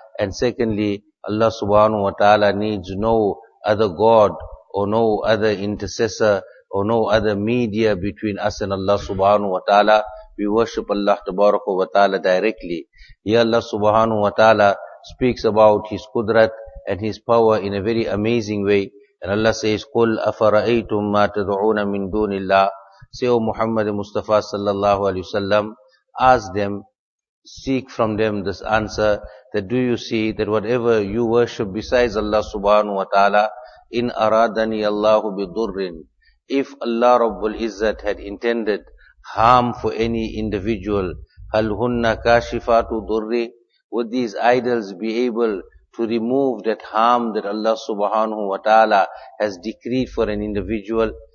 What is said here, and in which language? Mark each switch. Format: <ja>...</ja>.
<en>And secondly, Allah subhanahu wa ta'ala needs no other God or no other intercessor or no other media between us and Allah subhanahu wa ta'ala. We worship Allah tabaraka wa ta'ala directly. Here Allah subhanahu wa ta'ala speaks about His Qudrat and His power in a very amazing way. And Allah says,</en> <ar>قُلْ أَفَرَأَيْتُمْ مَا تَدْعُونَ مِنْ دُونِ اللَّهِ.</ar> <en>Say, O Muhammad Mustafa sallallahu alayhi wa sallam, ask them, seek from them this answer, that do you see that whatever you worship besides Allah subhanahu wa ta'ala,</en> <ar>in aradani Allahu bidurrin,</ar> <en>if Allah Rabbul Izzat had intended harm for any individual,</en> <ar>hal hunna kashifatu durri,</ar> <en>would these idols be able to remove that harm that Allah subhanahu wa ta'ala has decreed for an individual?</en>